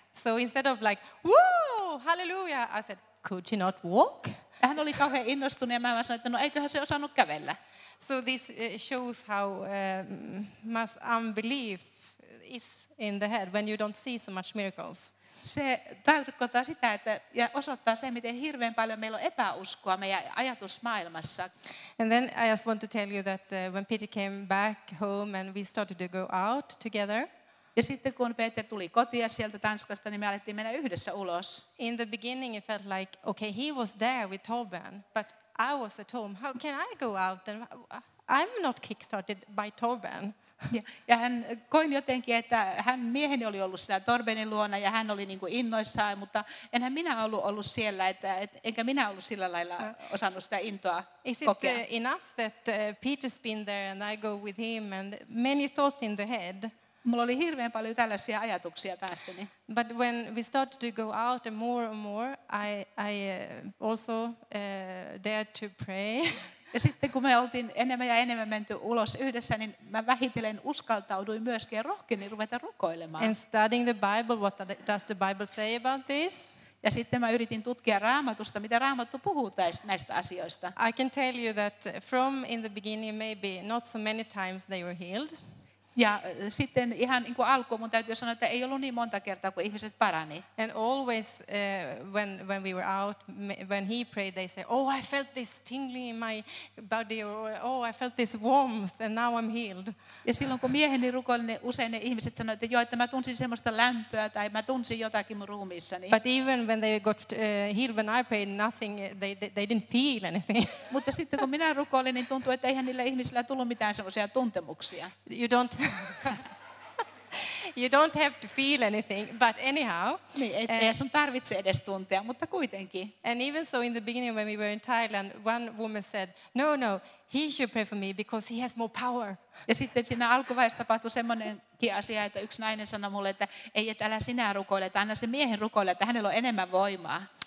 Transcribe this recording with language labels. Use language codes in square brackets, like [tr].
[en] So instead of like, woo, hallelujah, I said, could she not walk? [fi] Hän oli kauhean innostunut ja mä sanoin, että no eiköhän se osannut kävellä. [en] So this shows how much unbelief is in the head when you don't see so much miracles. [fi] Se tarkoittaa sitä, että ja osoittaa sen, miten hirveän paljon meillä on epäuskoa meidän ajatusmaailmassa. [en] And then I just want to tell you that when Peter came back home and we started to go out together. [fi] Ja sitten kun Peter tuli kotia sieltä Tanskasta, niin me alettiin mennä yhdessä ulos. [en] In the beginning it felt like, okay, he was there with Torben, but I was at home. How can I go out? And I'm not kickstarted by Torben. [fi] Ja hän koi jotenkin, että hän mieheni oli ollut siellä Torbenin luona ja hän oli niin kuin innoissaan, mutta enhän minä ollut siellä, enkä minä ollut sillä lailla osannut sitä intoa [en] is [fi] kokea. [en] Is it enough that Peter's been there and I go with him and many thoughts in the head? [fi] Mulla oli hirveän paljon tällaisia ajatuksia päässäni. [en] But when we started to go out and more, I also dared to pray. [fi] Ja sitten kun me oltiin enemmän ja enemmän menty ulos yhdessä, niin mä vähitellen uskaltauduin myöskin ja rohkeni ruveta rukoilemaan. [en] And studying the Bible, what does the Bible say about this? [fi] Ja sitten mä yritin tutkia Raamatusta, mitä Raamattu puhuu näistä asioista. [en] I can tell you that from in the beginning, maybe not so many times they were healed. [fi] Ja sitten ihan niin kuin alkuun mun täytyy sanoa, että ei ollut niin monta kertaa, kun ihmiset parani. [en] And always when we were out, when he prayed, they say, oh, I felt this tingling in my body, or oh, I felt this warmth, and now I'm healed. [fi] Ja silloin kun mieheni rukoili, niin usein ne ihmiset sanoi, että joo, että mä tunsin semmoista lämpöä, tai mä tunsin jotakin mun ruumiissani. [en] But even when they got healed, when I prayed nothing, they didn't feel anything. [fi] Mutta sitten kun minä rukoilin, niin tuntui, että eihän niillä ihmisillä tullut mitään semmoisia tuntemuksia. [en] You don't you don't have to feel anything, but anyhow. [fi] Niin, ei sun tarvitse edes tuntea, mutta kuitenkin. [en] And even so, in the beginning when we were in Thailand, one woman said, no, no, he should pray for me because he has more power. [fi] Ja sitten siinä alkuvaiheessa tapahtui semmoinenkin asia, että yksi nainen sanoi mulle, että ei, että älä sinä rukoile, että anna sen miehen rukoile, että hänellä on enemmän voimaa.